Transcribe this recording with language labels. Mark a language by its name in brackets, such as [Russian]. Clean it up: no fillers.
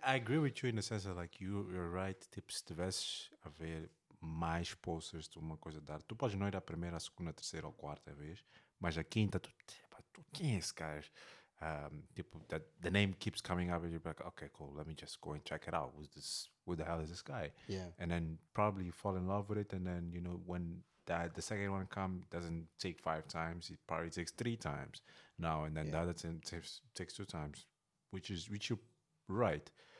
[English] I agree with you in the sense that like you're right. [Portuguese] Tipo, se tivesses a ver mais posters de uma coisa dar, tu podes não ir a primeira, a segunda, a terceira ou a quarta vez, mas a quinta, tu quem é esse gajo? [English] people that the name keeps coming up, and you're like, okay, cool, let me just go and check it out. Who's this? Who the hell is this guy? Yeah, and then probably you fall in love with it, and then you know when that the second one come doesn't take five times; it probably takes three times now, and then yeah. the other takes two times, which you're right.